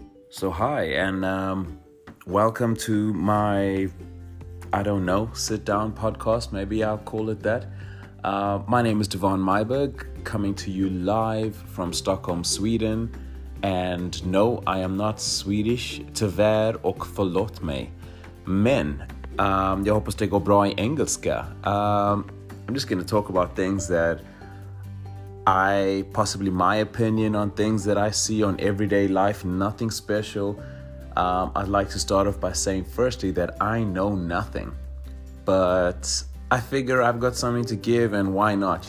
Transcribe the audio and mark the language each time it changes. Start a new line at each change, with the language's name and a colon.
English: So hi, and welcome to my, I don't know, sit down podcast, maybe I'll call it that. My name is Devon Myberg, coming to you live from Stockholm, Sweden. And no, I am not Swedish,
Swedish: tyvärr och förlåt mig. Men, jag hoppas det går bra I engelska.
English: I'm just going to talk about things that I, possibly my opinion on things that I see on everyday life, nothing special. I'd like to start off by saying firstly that I know nothing, but I figure I've got something to give and why not?